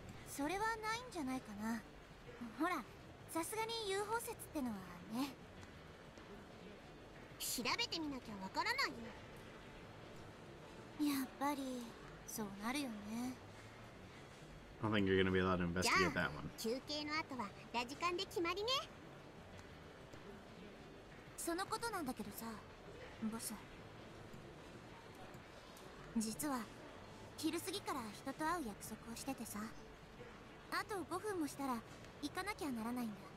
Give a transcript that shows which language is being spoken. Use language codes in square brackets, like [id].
[ja] それはないんじゃないかな。ほら、さすがに UFO 説ってのはね。調べてみなきゃわからないよ。やっぱりそうなるよね。 [en] I don't think you're gonna be allowed to investigate that one. [ja] 休憩の後はラジカンで決まりね。そのことなんだけどさ、ボス。実は昼過ぎから人と会う約束をしててさ、あと5分もしたら行かなきゃならないんだ。